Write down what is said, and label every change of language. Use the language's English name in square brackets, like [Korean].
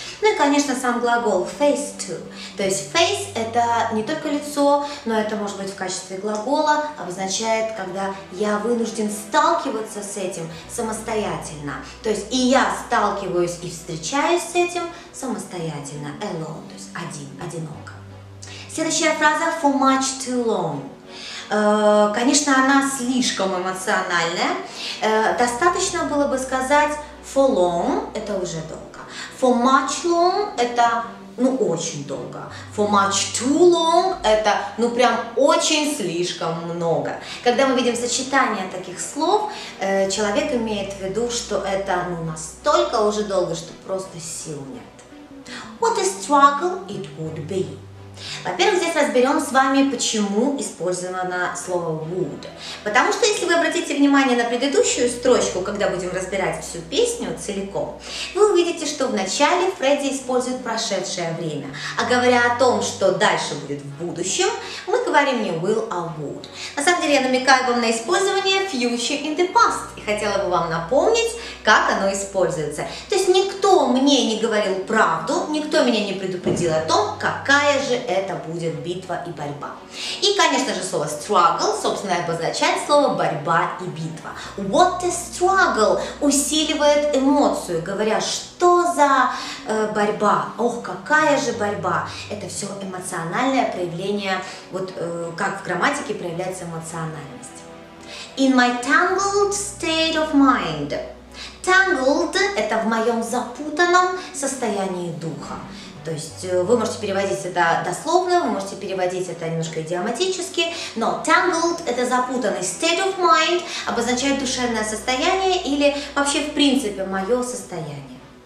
[Russian] Ну и, конечно, сам глагол [English] face to. [Russian] То есть face – это не только лицо, но это может быть в качестве глагола, обозначает, когда я вынужден сталкиваться с этим самостоятельно. То есть и я сталкиваюсь и встречаюсь с этим самостоятельно, alone, то есть один, одиноко. Следующая фраза [English] for much too long. [Russian] Конечно, она слишком эмоциональная. Достаточно было бы сказать [English] for long, [Russian] это уже долго. [English] For much long, [Russian] это очень долго. [English] For much too long, [Russian] это прям очень слишком много. Когда мы видим сочетание таких слов, человек имеет в виду, что это настолько уже долго, что просто сил нет. [English] What a struggle it would be. [Russian] Во-первых, здесь разберем с вами, почему использовано слово would. Потому что, если вы обратите внимание на предыдущую строчку, когда будем разбирать всю песню целиком, вы увидите, что вначале Фредди использует прошедшее время. А говоря о том, что дальше будет в будущем, мы говорим не will, а would. На самом деле, я намекаю вам на использование [English] future in the past. [Russian] И хотела бы вам напомнить, как оно используется. То есть никто мне не говорил правду, никто меня не предупредил о том, какая же это будет битва и борьба. И, конечно же, слово struggle, собственно, обозначает слово борьба и битва. [English] What a struggle [Russian] усиливает эмоцию, говоря, что за борьба, ох, какая же борьба. Это все эмоциональное проявление, как в грамматике проявляется эмоциональность. [English] In my tangled state of mind. [Russian] Tangled – это в моем запутанном состоянии духа. То есть вы можете переводить это дословно, вы можете переводить это немножко идиоматически, но tangled – это запутанный [English] state of mind, [Russian] обозначает душевное состояние или вообще в принципе мое состояние.